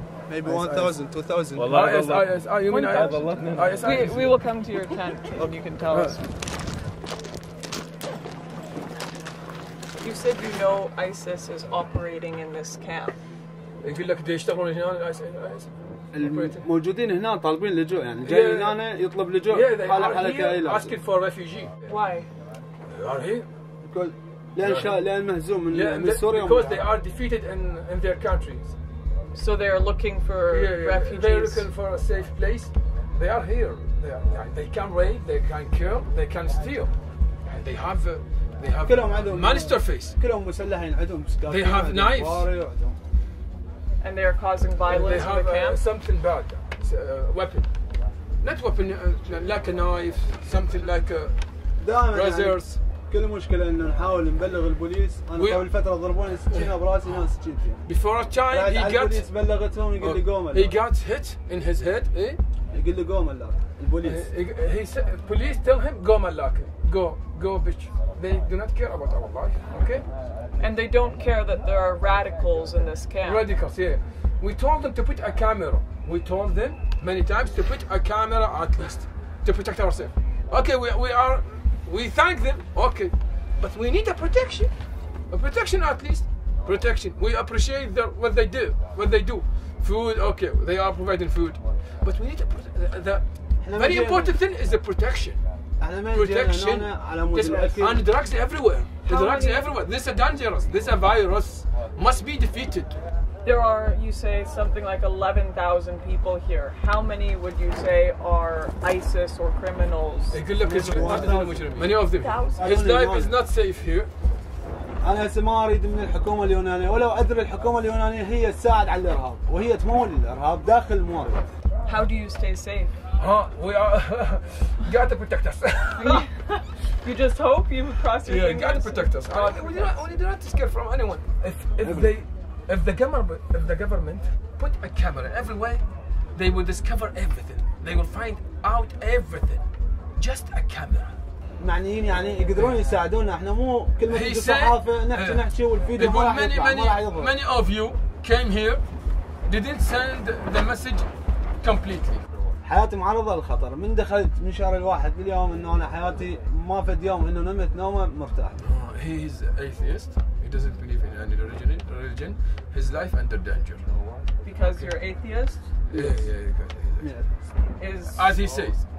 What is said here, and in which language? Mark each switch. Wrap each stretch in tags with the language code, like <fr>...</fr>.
<en>Maybe 1,000, 2,000. Well, ISIS. You mean ISIS? We will come to your tent and you can tell us. You said you know ISIS is operating in this camp. If you look at the ISIS.</en> <ar>الموجودين هنا طالبين لجوء يعني جايين هنا يطلب لجوء حالة حالة كائلة.</ar> <en>Asking for refugee. Why? Are here? Because</en> <ar>لأن مهزوم من سوريا.</ar> <en>Because they are defeated in their countries. So they are looking for refugees. They are looking for a safe place. They are here. They can rape, they can kill, they can steal, and they have monster face. They have knives. And they are causing violence in the camp? Something bad, it's a weapon. not weapon, like a knife, something like a razors.</en> <ar>كل مشكلة إنه نحاول نبلغ البوليس أنا قبل فترة ضربوني 60 براسي ناس 60</ar> <en>Before a time he got</en> <ar>البوليس بلغتهم يقول لي قوم</ar> <en>He got hit in his head إيه</en> <ar>يقول لي قوم الله البوليس</ar> <en>he police tell him</en> <ar>قوم الله</ar> <en>go bitch they do not care about our life okay and they don't care that there are radicals in this camp radicals yeah we told them to put a camera we told them many times to put a camera at least to protect ourselves okay we are We thank them, okay, but we need a protection at least, protection. We appreciate what they do, food, okay, they are providing food, but we need a the very important thing is the protection. Protection and drugs everywhere. The drugs everywhere. This is dangerous. This is a virus. Must be defeated. There are, you say, something like 11,000 people here. How many would you say are ISIS or criminals? Hey, good luck. Many of them. His life is not safe here.</en> <ar>أنا هسه ما أريد من الحكومة اليونانية ولو أدري الحكومة اليونانية هي تساعد على الإرهاب وهي تمول الإرهاب داخل المواطن.</ar> <en>How do you stay safe? We are got to protect us. You just hope you cross your fingers. Yeah, got to protect us. We do not scared from anyone. If the government put a camera everywhere, they will discover everything. They will find out everything. Just a camera.</en> <ar>معنيين يعني يقدرون يساعدونا احنا مو كل ما نجي صحافة نحكي والفيديو ما راح يطلع.</ar> <en>Many of you came here, didn't send the message completely.</en> <ar>حياتي معرضة للخطر من دخلت من شهر الواحد اليوم انه انا حياتي ما فد يوم انه نمت نومة مرتاح.</ar> <en>He's atheist. He doesn't believe in any religion. His life under danger. Because you're atheist? Yeah. As he says.</en>